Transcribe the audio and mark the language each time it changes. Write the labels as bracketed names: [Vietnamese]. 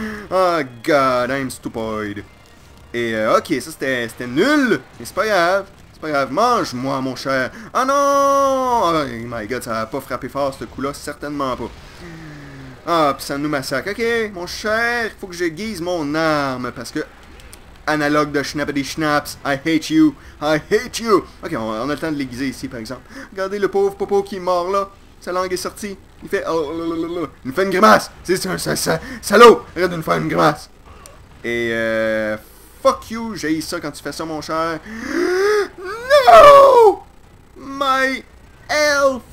[English] Oh god, I'm stupid. [French] Et ok, ça c'était nul, mais c'est pas grave. C'est pas grave, mange-moi, mon cher. Ah non! [English] Oh my god, [French] ça va pas frapper fort, ce coup-là, certainement pas. Ah, puis ça nous massacre. Ok, mon cher, faut que je guise mon arme, parce que... [English] Analogue de Schnappity Schnapps, I hate you, I hate you! [French] Ok, on a le temps de l'aiguiser ici, par exemple. Regardez le pauvre popo qui est mort, là. Sa langue est sortie. Il fait... Il nous fait une grimace! C'est un salaud! Arrête de nous faire une grimace! Et fuck you, j'ai ça quand tu fais ça, mon cher. [English] No! My elf!